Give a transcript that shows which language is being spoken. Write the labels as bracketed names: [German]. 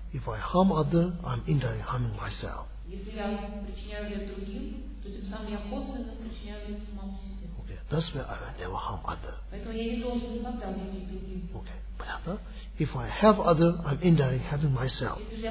[English] If I harm other, I'm indirectly harming myself. [Russian] Если я причиняю вред другим, то тем самым я косвенно причиняю вред самому себе. [English] Okay. That's why I never harm other. [Russian] Поэтому я не должен никогда убить другим. Okay. Понятно? [English] If I help other, I'm indirectly helping myself.